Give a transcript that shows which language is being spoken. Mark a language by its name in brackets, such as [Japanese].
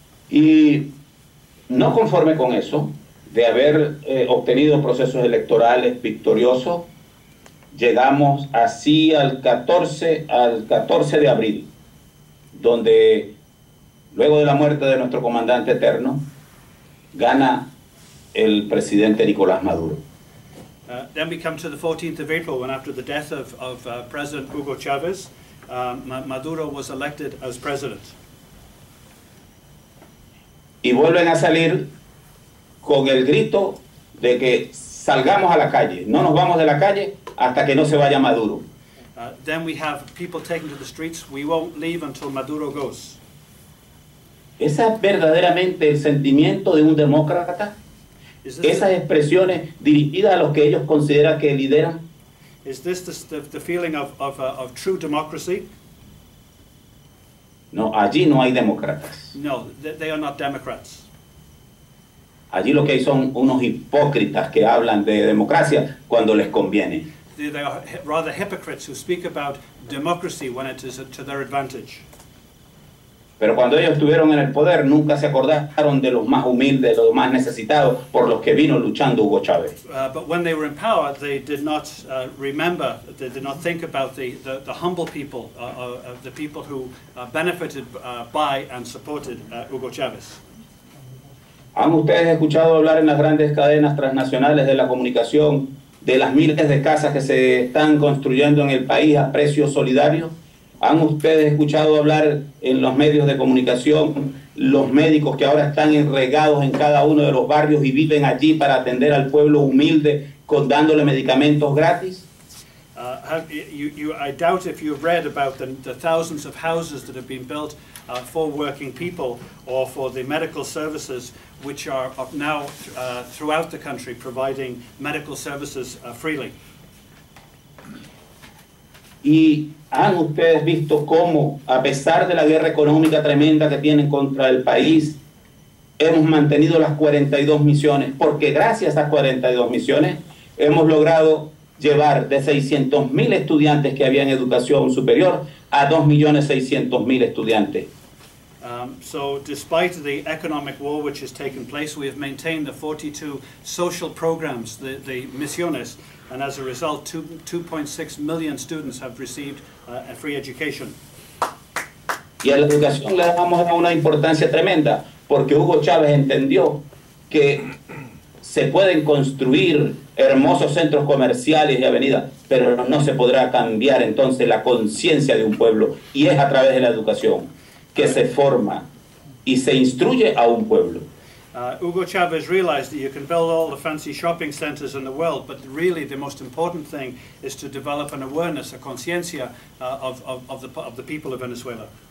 [Spanish] Y no conforme con eso, de haber obtenido procesos electorales victoriosos, llegamos así al 14 de abril, donde luego de la muerte de nuestro comandante eterno, gana el presidente Nicolás Maduro. [English] Then we come to the 14th of April, when after the death of President Hugo Chavez, Maduro was elected as president. [Spanish] Y vuelven a salir con el grito de que salgamos a la calle, no nos vamos de la calle hasta que no se vaya Maduro. [English] Then we have people taken to the streets, we won't leave until Maduro goes. [Spanish] ¿Esa es verdaderamente el sentimiento de un demócrata? ¿Esas expresiones dirigidas a los que ellos consideran que lideran? [English] Is this the feeling of true democracy? [Spanish] No, allí no hay demócratas. [English] No, they are not democrats. [Spanish] Allí lo que hay son unos hipócritas que hablan de democracia cuando les conviene. [English] They are rather hypocrites who speak about democracy when it is to their advantage. [Spanish] Pero cuando ellos estuvieron en el poder, nunca se acordaron de los más humildes, los más necesitados, por los que vino luchando Hugo Chávez. [English] But when they were in power, they did not remember, they did not think about the humble people, the people who benefited by and supported Hugo Chávez. [Spanish] ¿Han ustedes escuchado hablar en las grandes cadenas transnacionales de la comunicación de las miles de casas que se están construyendo en el país a precios solidarios? ¿Han ustedes escuchado hablar en los medios de comunicación los médicos que ahora están regados en cada uno de los barrios y viven allí para atender al pueblo humilde con dándole medicamentos gratis? [English] I doubt if you've read about the thousands of houses that have been built for working people or for the medical services which are now throughout the country providing medical services freely. [Spanish] ¿Y han ustedes visto cómo, a pesar de la guerra económica tremenda que tienen contra el país, hemos mantenido las 42 misiones? Porque gracias a 42 misiones hemos logrado llevar de 600,000 estudiantes que había en educación superior a 2,600,000 estudiantes. [English] So despite the economic war which has taken place, we have maintained the 42 social programs, the misiones, and as a result, 2.6 million students have received a free education. [Spanish] Y a la educación le damos una importancia tremenda, porque Hugo Chávez entendió que se pueden construir hermosos centros comerciales y avenidas, pero no se podrá cambiar entonces la conciencia de un pueblo, y es a través de la educación que se forma y se instruye a un pueblo. [English] Hugo Chávez realized that you can build all the fancy shopping centers in the world, but really the most important thing is to develop an awareness, a conciencia of the people of Venezuela.